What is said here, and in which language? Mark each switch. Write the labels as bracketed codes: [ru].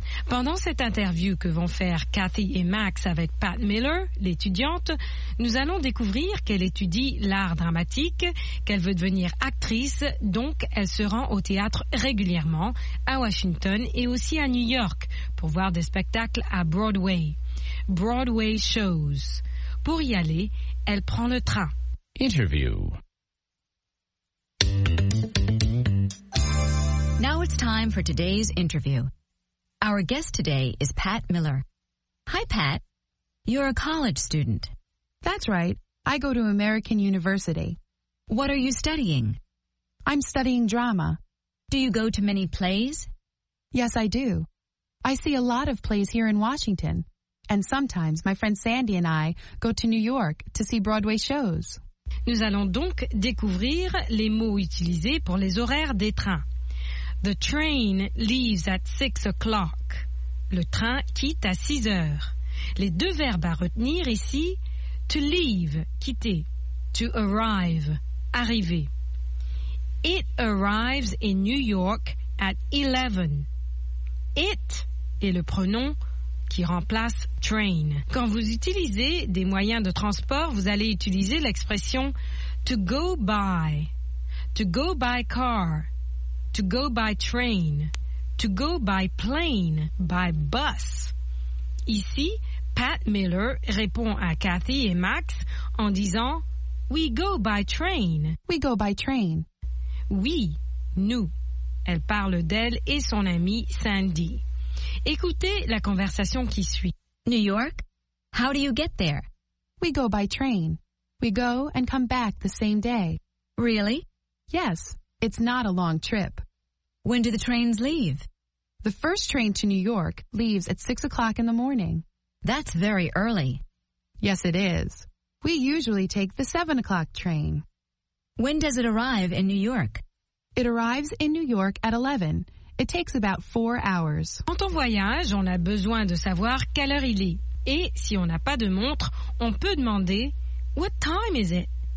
[fr] Pendant cette interview que vont faire Kathy et Max avec Pat Miller, l'étudiante, nous allons découvrir qu'elle étudie l'art dramatique, qu'elle veut devenir actrice, donc elle se rend au théâtre régulièrement, à Washington et aussi à New York, pour voir des spectacles à Broadway. [en] Broadway shows. [fr] Pour y aller, elle prend le train. [en] Interview. Now it's time for today's interview. Our guest today is Pat Miller. Hi, Pat. You're a college student. That's right. I go to American University. What are you studying? I'm studying drama. Do you go to many plays? Yes, I do. I see a lot of plays here in Washington. And sometimes my friend Sandy and I go to New York to see Broadway shows. [fr] Nous allons donc découvrir les mots utilisés pour les horaires des trains. [en] The train leaves at 6 o'clock. [fr] Le train quitte à 6 heures. Les deux verbes à retenir ici, to leave, quitter, to arrive, arriver. [en] It arrives in New York at 11. [fr] It est le pronom qui remplace train. Quand vous utilisez des moyens de transport, vous allez utiliser l'expression [en] to go by, to go by car, to go by train, to go by plane, by bus. [fr] Ici, Pat Miller répond à Kathy et Max en disant [en] we go by train. We go by train. [fr] Oui, nous. Elle parle d'elle et son ami Sandy. Écoutez la conversation qui suit. [en] New York? How do you get there? We go by train. We go and come back the same day. Really? Yes, it's not a long trip. When do the trains leave? The first train to New York leaves at 6 o'clock in the morning. That's very early. Yes, it is. We usually take the 7 o'clock train. When does it arrive in New York? It arrives in New York at 11. It takes about 4 hours. [fr] Quand on voyage, on a besoin de savoir quelle heure il est. Et si on n'a pas de montre, on peut demander, [en] What time is it?